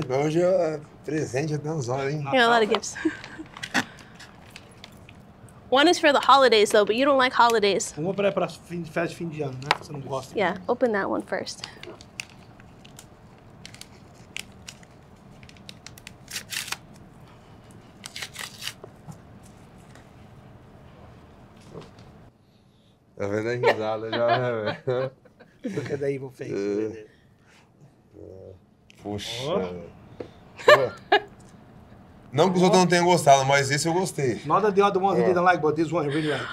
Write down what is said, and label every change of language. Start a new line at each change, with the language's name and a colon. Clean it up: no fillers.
Portuguese: Rapaz, hoje é presente até uns olhos, hein?
English: Yeah, a lot of gifts. One is for the holidays, though, but you don't like holidays.
Portuguese: Vamos abrir para festa de fim de ano, né? Você não gosta.
English: Yeah, open that one first.
Portuguese: Tá vendo a risada já, né, velho?
English: Look at the evil face.
Portuguese: Puxa. Não que os outros não tenham gostado, mas esse eu gostei.
English: Not that the other ones you didn't like, but this one you really like.